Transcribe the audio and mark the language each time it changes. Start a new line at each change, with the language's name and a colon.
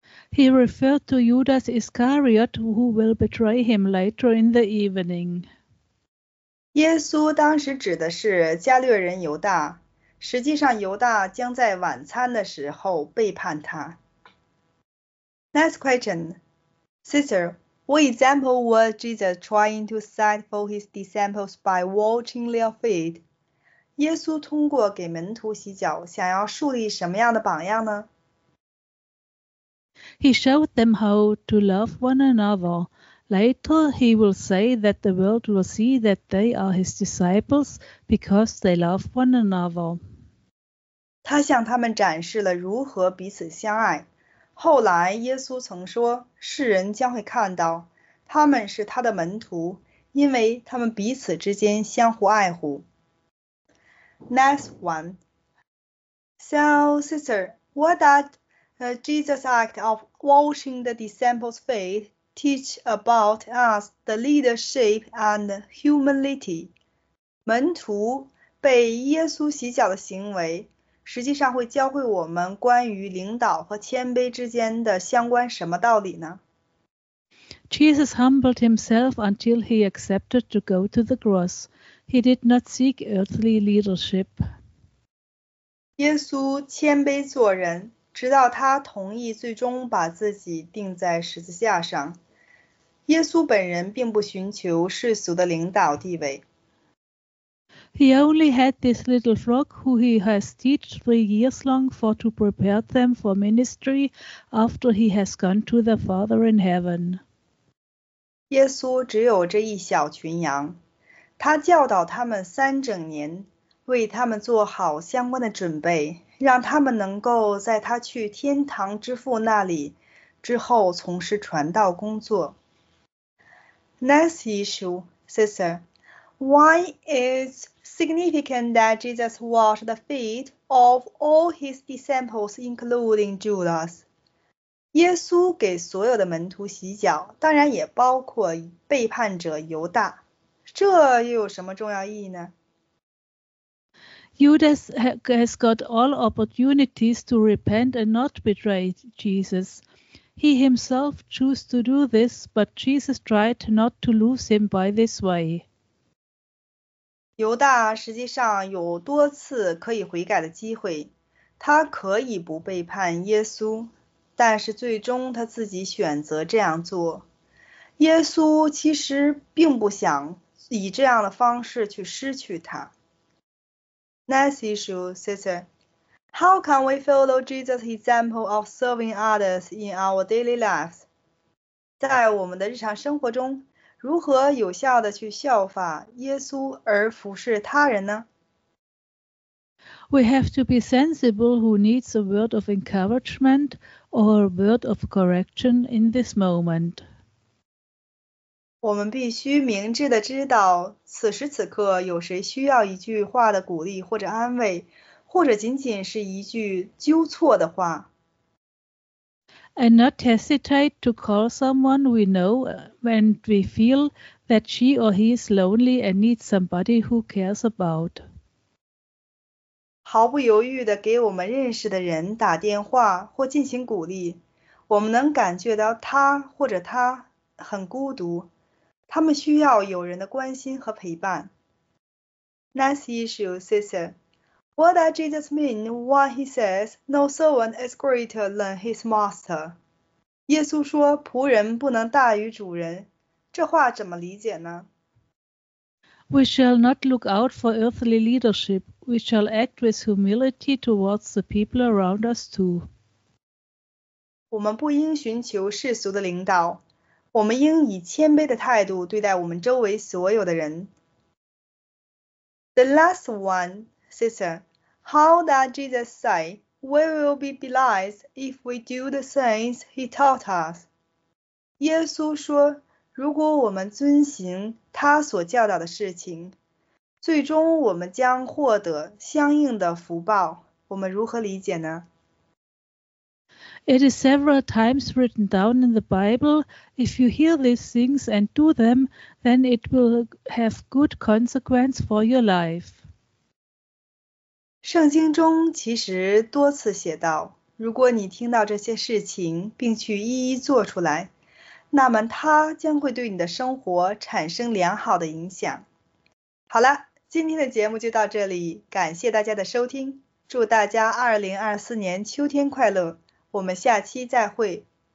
English: He referred to Judas Iscariot, who will betray him later in the evening.
Chinese: 耶稣当时指的是加略人犹大，实际上犹大将在晚餐的时候背叛他。
English: Next question. Sister, what example was Jesus trying to set for his disciples by washing their feet?
Chinese: 耶稣通过给门徒洗脚，想要树立什么样的榜样呢？
English: He showed them how to love one another. Later, he will say that the world will see that they are his disciples because they love one another.
Chinese: 他向他们展示了如何彼此相爱。后来，耶稣曾说，世人将会看到他们是他的门徒，因为他们彼此之间相互爱护。
English: Next one. So, sister, what does Jesus' act of washing the disciples' feet teach about us, the leadership and humility?
Chinese: 门徒被耶稣洗脚的行为，实际上会教会我们关于领导和谦卑之间的相关什么道理呢？
English: Jesus humbled himself until he accepted to go to the cross. He did not seek earthly leadership.
Chinese: 耶稣谦卑做人，直到他同意最终把自己钉在十字架上。耶稣本人并不寻求世俗的领导地位。
English: He only had this little flock who he has teached 3 years long for to prepare them for ministry after he has gone to the Father in heaven.
Chinese: 耶稣只有这一小群羊，他教导他们3整年，为他们做好相关的准备，让他们能够在他去天堂之父那里之后从事传道工作。
English: Next issue, sister. Why is significant that Jesus washed the feet of all his disciples, including Judas?
Chinese: 耶稣给所有的门徒洗脚，当然也包括背叛者犹大。这又有什么重要意义呢？
English: Judas has got all opportunities to repent and not betray Jesus. He himself chose to do this, but Jesus tried not to lose him by this way.
Chinese: 犹大实际上有多次可以悔改的机会，他可以不背叛耶稣，但是最终他自己选择这样做。耶稣其实并不想以这样的方式去失去他。
English: Next issue, sister. How can we follow Jesus' example of serving others in our daily lives?
Chinese: 在我们的日常生活中，如何有效地去效法耶稣而服侍他人呢？
English: We have to be sensible who needs a word of encouragement or a word of correction in this moment.
Chinese: 我们必须明智地知道，此时此刻有谁需要一句话的鼓励或者安慰。或者仅仅是一句纠错的话。
English: And not hesitate to call someone we know when we feel that she or he is lonely and needs somebody who cares about.
Chinese: 毫不犹豫地给我们认识的人打电话或进行鼓励，我们能感觉到他或者她很孤独，他们需要有人的关心和陪伴。
English: Next issue, sister. What does Jesus mean when he says, no servant is greater than his master?
Chinese: 耶稣说仆人不能大于主人，这话怎么理解呢？
English: We shall not look out for earthly leadership. We shall act with humility towards the people around us too.
Chinese: 我们不应寻求世俗的领导，我们应以谦卑的态度对待我们周围所有的人。
English: The last one. Sister, how does Jesus say we will be blessed if we do the things he taught us?
Chinese: 耶稣说，如果我们遵行他所教导的事情，最终我们将获得相应的福报。我们如何理解呢？
English: It is several times written down in the Bible. If you hear these things and do them, then it will have good consequence for your life.
Chinese: 圣经中其实多次写道，如果你听到这些事情并去一一做出来，那么它将会对你的生活产生良好的影响。好了，今天的节目就到这里，感谢大家的收听，祝大家2024年秋天快乐，我们下期再会。